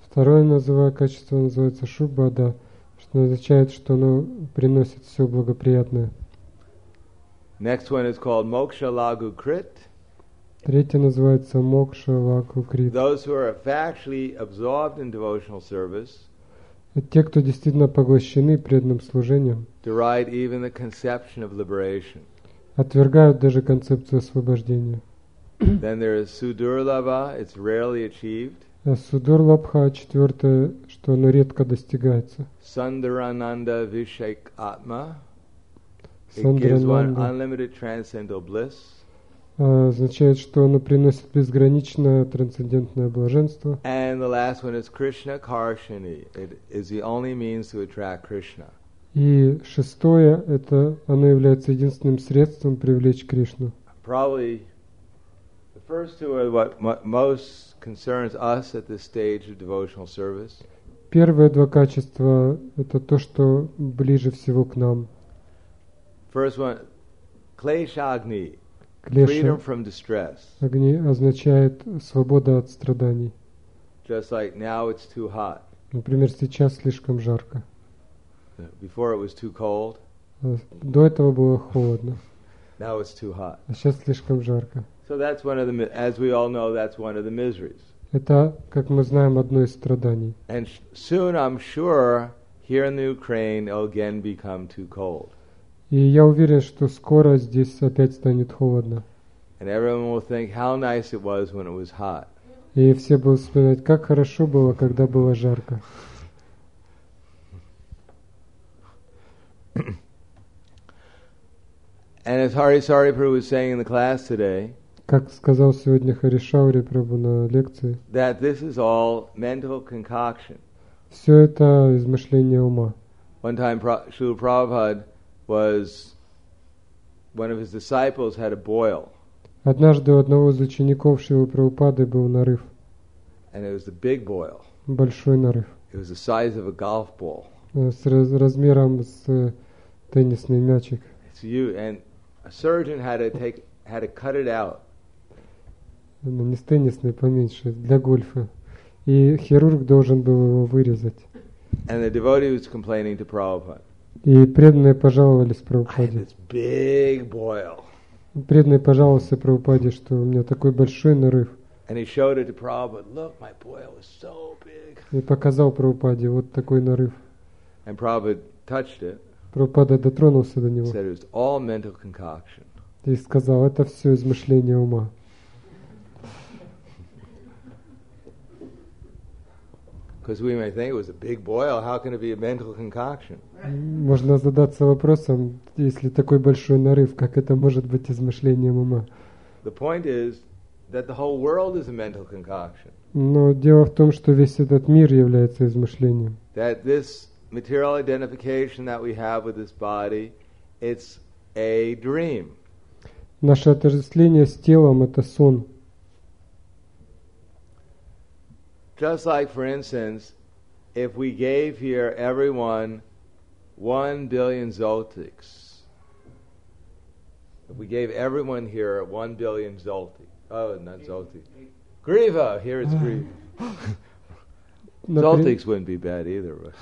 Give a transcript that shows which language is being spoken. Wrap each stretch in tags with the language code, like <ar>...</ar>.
<ru>Второе называемое качество называется Шубада, что означает, что оно приносит все благоприятное.</ru> <en>Next one is called Moksha Lagu Krit.</en> <ru>Третье называется Мокша Лагу Крит.</ru> <en>Those who are factually absorbed in devotional service.</en> <ru>Те, кто действительно поглощены преданным служением.</ru> <en>Deride even the conception of liberation.</en> <ru>Отвергают даже концепцию освобождения.</ru> <en>Then there is Sudurlabha, it's rarely achieved.</en> <ru>Sudurlabha, четвертое, что оно редко достигается.</ru> <en>Sundarananda Vishek Atma. Sundarananda. It gives one unlimited transcendental bliss.</en> <ru>Означает, что оно приносит безграничное трансцендентное блаженство.</ru> <en>And the last one is Krishna Karshani. It is the only means to attract Krishna.</en> <ru>И шестое, это оно является единственным средством привлечь Кришну.</ru> <en>Probably the first two are what most concerns us at this stage of devotional service.</en> <ru>Первые два качества это то, что ближе всего к нам.</ru> <en>First one, Klesha Agni, freedom from distress.</en> <ru>Агни означает свобода от страданий.</ru> <en>Just like now it's too hot.</en> <ru>Например, сейчас слишком жарко.</ru> <en>Before it was too cold.</en> <ru>До этого было холодно.</ru> <en>Now it's too hot.</en> <ru>А сейчас слишком жарко.</ru> <en>So that's one of the, as we all know, that's one of the miseries.</en> <ru>Это, как мы знаем, одно из страданий.</ru> <en>And soon, I'm sure, here in the Ukraine, it'll again become too cold.</en> <ru>И я уверен, что скоро здесь опять станет холодно.</ru> <en>And everyone will think how nice it was when it was hot.</en> <ru>И все будут вспоминать, как хорошо было, когда было жарко.</ru> <en>And as Hari Sariprabhu was saying in the class today,</en> <ru>как сказал сегодня Хари Шаури Прабху на лекции,</ru> <en>that this is all mental concoction.</en> <ru>Все это измышление ума.</ru> <en>One time Srila Prabhupada was one of his disciples had a boil.</en> <ru>Однажды у одного из учеников Шрилы Прабхупады был нарыв.</ru> <en>And it was a big boil.</en> <ru>Большой нарыв.</ru> <en>It was the size of a golf ball.</en> <ru>С размером с теннисный мячик.</ru> <en>It's you. And a surgeon had to cut it out.</en> <ru>Ну, не с теннисной, поменьше, для гольфа. И хирург должен был его вырезать.</ru> <en>And the devotee was complaining to Prabhupada.</en> <ru>И преданные пожаловались Прабхупаде.</ru> <en>I had this big boil.</en> <ru>Преданные пожаловались Прабхупаде, что у меня такой большой нарыв.</ru> <en>And he showed it to Prabhupada. Look, my boil is so big.</en> <ru>И показал Прабхупаде вот такой нарыв.</ru> <en>And Prabhupada touched it.</en> <ru>Прабхупада дотронулся до него.</ru> <en>Said it was all mental concoction.</en> <ru>И сказал, это все измышление ума.</ru> <en>Because we may think it was a big boil, how can it be a mental concoction?</en> <ru>Можно задаться вопросом, если такой большой нарыв, как это может быть измышлением ума?</ru> <en>The point is that the whole world is a mental concoction.</en> <ru>Но дело в том, что весь этот мир является измышлением.</ru> <en>That this material identification that we have with this body, it's a dream.</en> <ru>Наше отождествление с телом – это сон.</ru> <en>Just like, for instance, if we gave here everyone 1 billion zlotys. If we gave everyone here 1 billion zloty. Oh, not zloty. Griva, here it's griva. Zlotys wouldn't be bad either.</en>